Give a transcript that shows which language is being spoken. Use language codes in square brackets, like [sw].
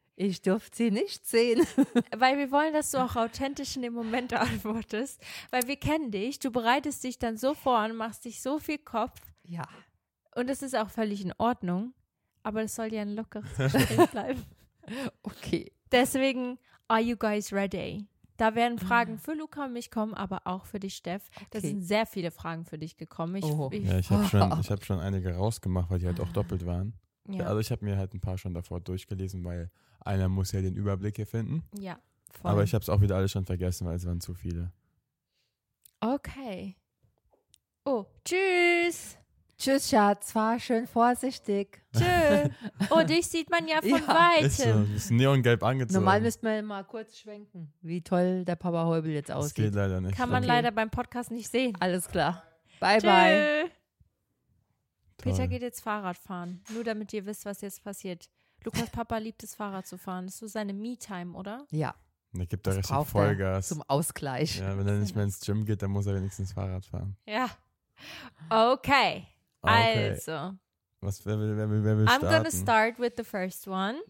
[de] Ich durfte sie nicht sehen. Weil wir wollen, dass du auch authentisch in dem Moment antwortest. Weil wir kennen dich, du bereitest dich dann so vor und machst dich so viel Kopf. Ja. Und das ist auch völlig in Ordnung. Aber das soll dir ein lockeres bleiben. Okay. Deswegen, [en] are you guys ready? [de] Da werden Fragen für Luca und mich kommen, aber auch für dich, Steff. Okay. Da sind sehr viele Fragen für dich gekommen. Ich habe schon einige rausgemacht, weil die halt auch doppelt waren. Ja. Also ich habe mir halt ein paar schon davor durchgelesen, weil einer muss ja den Überblick hier finden. Ja, voll. Aber ich habe es auch wieder alles schon vergessen, weil es waren zu viele. Okay. Oh, tschüss. Tschüss, Schatz. Fahr schön vorsichtig. Tschüss. Oh, dich sieht man ja von weitem. Ist neongelb angezogen. Normal müsste man mal kurz schwenken, wie toll der Papa Häubel jetzt aussieht. Das geht leider nicht. Kann man leider beim Podcast nicht sehen. Alles klar. Bye, bye. Peter geht jetzt Fahrrad fahren. Nur damit ihr wisst, was jetzt passiert. Lukas Papa liebt es, Fahrrad zu fahren. Das ist so seine Me-Time, oder? Ja. Er gibt da richtig Vollgas. Zum Ausgleich. Ja, wenn er nicht mehr ins Gym geht, dann muss er wenigstens Fahrrad fahren. Ja. Okay. Also. Was, wer will [en] starten? I'm gonna start with the first one.